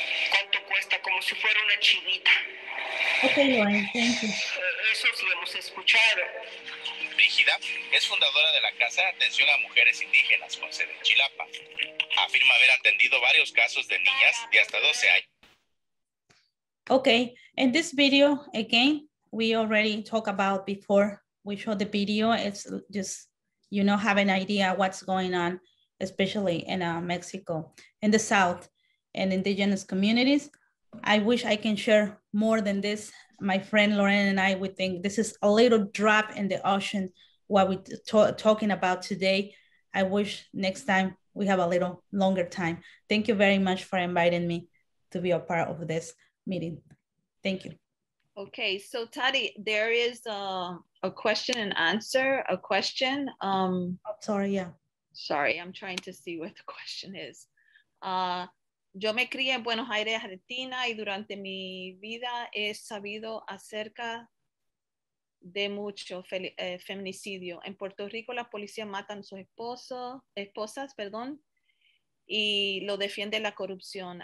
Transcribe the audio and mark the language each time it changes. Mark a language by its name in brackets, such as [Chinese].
[Spanish] ¿Cuánto cuesta? Como si fuera una chivita. Okay, bueno, eso sí hemos escuchado. Brígida es fundadora de la Casa de Atención a Mujeres Indígenas con sede en Chilapa. Afirma haber atendido varios casos de niñas de hasta 12 años. [English] Okay, in this video, again, we already talked about before we show the video, it's just, you know, have an idea what's going on, especially in Mexico, in the South, and indigenous communities. I wish I can share more than this. My friend Lorraine and I, we think this is a little drop in the ocean, what we're talking about today. I wish next time we have a little longer time. Thank you very much for inviting me to be a part of this meeting. Thank you. Okay, so Tadii, there is a question and answer, a question. Sorry, I'm trying to see what the question is. [Spanish] Yo me crié en Buenos Aires, Argentina, y durante mi vida he sabido acerca de mucho feminicidio. En Puerto Rico, la policía matan a sus esposas, y lo defiende la corrupción.